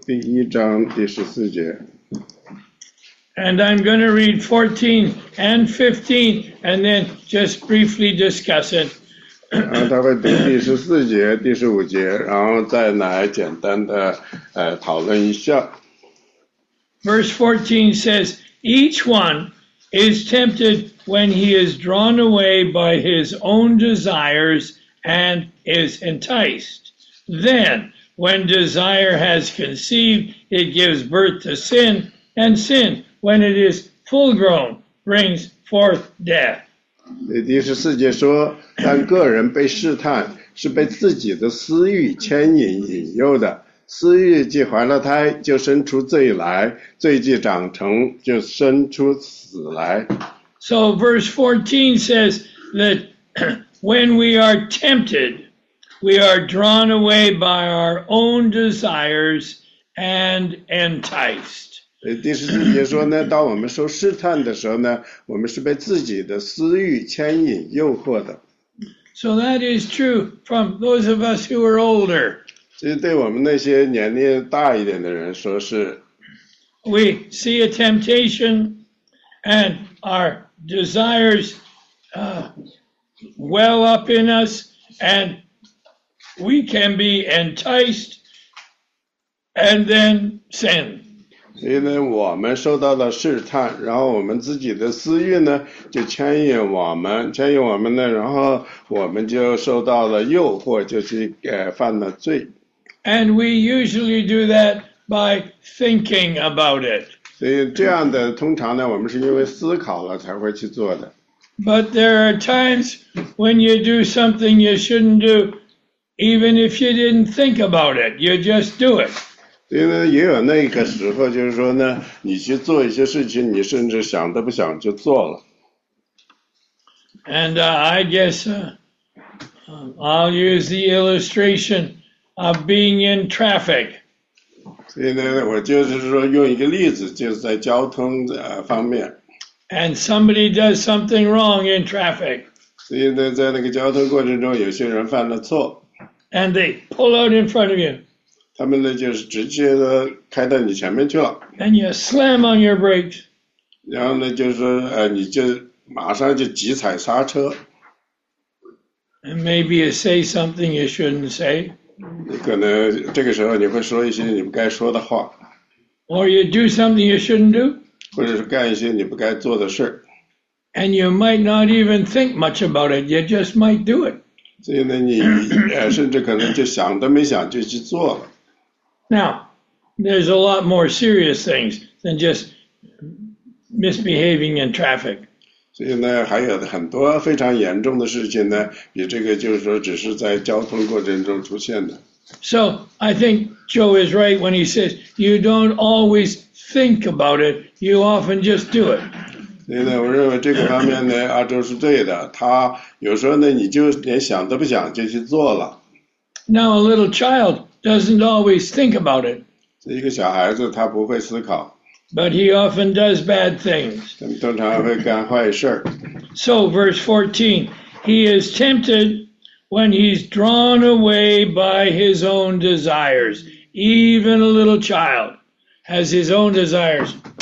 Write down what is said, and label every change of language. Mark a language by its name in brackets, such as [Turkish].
[Chinese] 大家可以翻到雅各书第一章第14节。 [English] And I'm going to read 14 and 15 and then just briefly discuss it. [Chinese] 他会读第14节、第15节，然后再来简单的讨论一下。 [English] Verse 14 says, each one is tempted when he is drawn away by his own desires and is enticed. Then, when desire has conceived, it gives birth to sin, And sin, when it is full grown, brings forth death. [Chinese] 第十四节说，当个人被试探，是被自己的私欲牵引引诱的。私欲既怀了胎，就生出罪来；罪既长成，就生出死来。 [English] So verse 14 says that when we are tempted, we are drawn away by our own desires and enticed. [Chinese] 第十四节说呢，当我们受试探的时候呢，我们是被自己的私欲牵引诱惑的。 [English] So that is true from those of us who are older. [Chinese] 这对我们那些年龄大一点的人说是。 [English] We see a temptation and our desires, well up in us and we can be enticed and then sin. [Chinese] 因为我们受到了试探，然后我们自己的私欲呢就牵引我们，牵引我们呢，然后我们就受到了诱惑，就去犯了罪。 [English] And we usually do that by thinking about it. [Chinese] 所以这样的通常呢，我们是因为思考了才会去做的。 [English] But there are times when you do something you shouldn't do, even if you didn't think about it, you just do it. [Chinese] 因为也有那个时候，就是说呢，你去做一些事情，你甚至想都不想就做了。 [English] And I guess I'll use the illustration of being in traffic. [Chinese] 所以呢，我就是说用一个例子，就是在交通方面。 [English] And somebody does something wrong in traffic. [Chinese] 所以呢，在那个交通过程中，有些人犯了错。 [English] And they pull out in front of you. [Chinese] 他们呢，就是直接的开到你前面去了。 [English] And you slam on your brakes. [Chinese] 然后呢，就是你就马上就急踩刹车。 [English] And maybe you say something you shouldn't say. [Chinese] 可能这个时候你会说一些你不该说的话。 [English] Or you do something you shouldn't do. [Chinese] 或者是干一些你不该做的事。 [English] And you might not even think much about it, you just might do it. [Chinese] 所以呢，你甚至可能就想都没想就去做了。 [English] Now, there's a lot more serious things than just misbehaving in traffic. [Chinese] 所以呢，还有很多非常严重的事情呢，比这个就是说只是在交通过程中出现的。 [English] So, I think Joe is right when he says, you don't always think about it, you often just do it. [Chinese] 所以呢，我认为这个方面呢，阿周是对的，他有时候呢，你就连想都不想就去做了。 [English] Now, a little child doesn't always think about it. [Chinese] 一个小孩子他不会思考。 [English] But he often does bad things. [Chinese] 他们通常会干坏事。 [English] So, verse 14, he is tempted when he's drawn away by his own desires. Even a little child has his own desires.